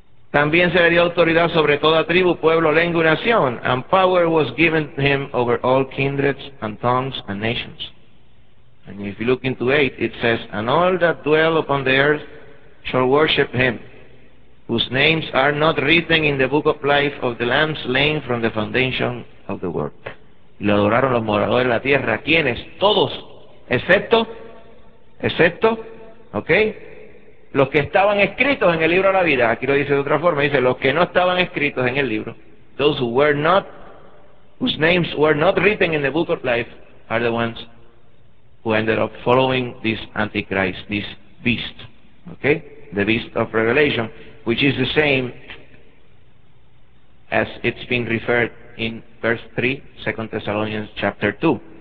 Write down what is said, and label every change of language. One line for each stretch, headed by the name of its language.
Spanish: También se le dio autoridad sobre toda tribu, pueblo, lengua y nación,
English: and power was given him over all kindreds and tongues and nations. And if you look into 8, it says, and all that dwell upon the earth shall worship him, whose names are not written in the book of life of the Lamb slain from the foundation of the world.
Spanish: Y lo adoraron los moradores de la tierra. ¿Quiénes? Todos. Excepto, ¿ok? Los que estaban escritos en el libro de la vida. Aquí lo dice de otra forma. Dice, los que no estaban escritos en el libro.
English: Those who were not, whose names were not written in the book of life, are the ones who ended up following this Antichrist, this beast. ¿Ok? The beast of Revelation, which is the same as it's been referred in verse 3, 2 Thessalonians chapter 2.